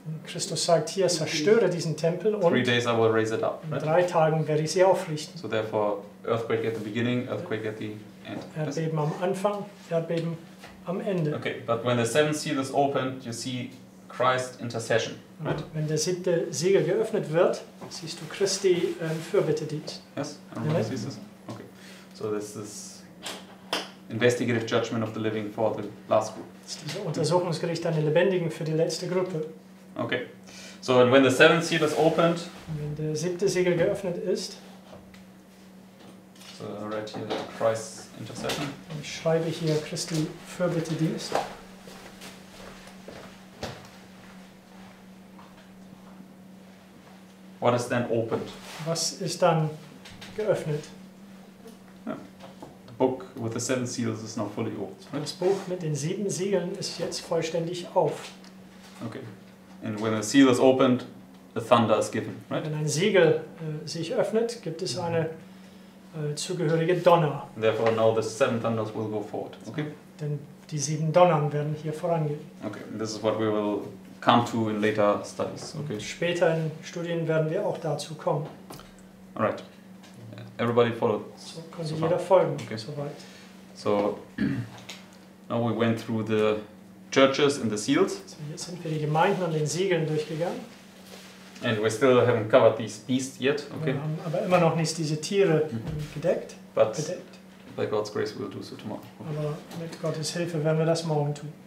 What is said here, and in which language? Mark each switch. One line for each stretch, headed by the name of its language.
German: Christus sagt hier, zerstöre diesen Tempel und
English: 3 days I will raise it up,
German: right? In 3 Tagen werde ich sie aufrichten.
English: So therefore, earthquake at the beginning, earthquake at the end.
German: Erdbeben am Anfang, Erdbeben am Ende.
English: Okay, but when the seventh seal is opened, you see Christ's intercession, right?
German: Wenn der siebte Siegel geöffnet wird, siehst du Christi Fürbitte dient.
English: Yes, everybody sees this? Okay, so this is investigative judgment of the living for the last group.
German: Das ist dieses Untersuchungsgericht an den Lebendigen für die letzte Gruppe.
English: Okay, so and when the seventh seal is opened,
German: wenn der siebte Siegel geöffnet ist,
English: so I write here Christ's intercession.
German: Ich schreibe hier Christi Fürbitte Dienst.
English: What is then opened?
German: Was ist dann geöffnet?
English: The book with the seven seals is now fully opened. Right?
German: Das Buch mit den sieben Siegeln ist jetzt vollständig auf.
English: Okay. And when a seal is opened, a thunder is given, right?
German: Wenn ein Siegel sich öffnet, gibt es eine zugehörige Donner.
English: Therefore now the seven thunders will go forward, okay?
German: Denn die sieben Donnern werden hier vorangehen.
English: Okay, this is what we will come to in later studies, okay?
German: Und später in Studien werden wir auch dazu kommen.
English: All right. Everybody followed.
German: So kann sich jeder folgen, okay. Soweit.
English: So, now we went through the churches and the seals.
German: So jetzt sind wir die Gemeinden und den Siegeln durchgegangen.
English: And we still haven't covered these beasts yet. Okay.
German: Wir haben aber immer noch nicht diese Tiere gedeckt.
English: But by God's grace we'll do so tomorrow. Okay.
German: Aber mit Gottes Hilfe werden wir das morgen tun.